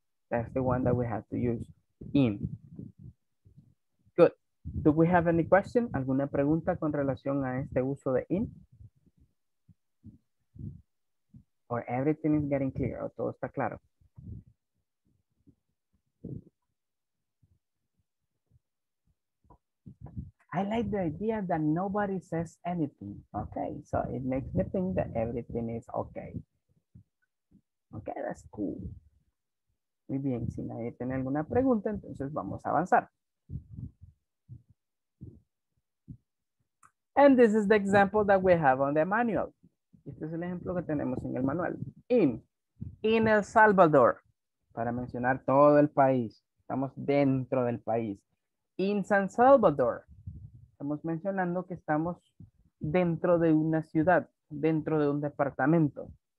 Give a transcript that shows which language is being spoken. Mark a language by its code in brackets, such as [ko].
[en] That's the one that we have to use, in. Do we have any question? [es] ¿Alguna pregunta con relación a este uso de in? [en] Or everything is getting clear? [es] ¿O todo está claro? [en] I like the idea that nobody says anything. Okay, so it makes me think that everything is okay. Okay, that's cool. [es] Muy bien, si nadie tiene alguna pregunta, entonces vamos a avanzar. [en] And this is the example that we have on the manual. [es] Este es el ejemplo que tenemos en el manual. [en] In El Salvador, [es] para mencionar todo el país. Estamos dentro del país. [en] In San Salvador, [es] estamos mencionando que estamos dentro de una ciudad, dentro de un departamento.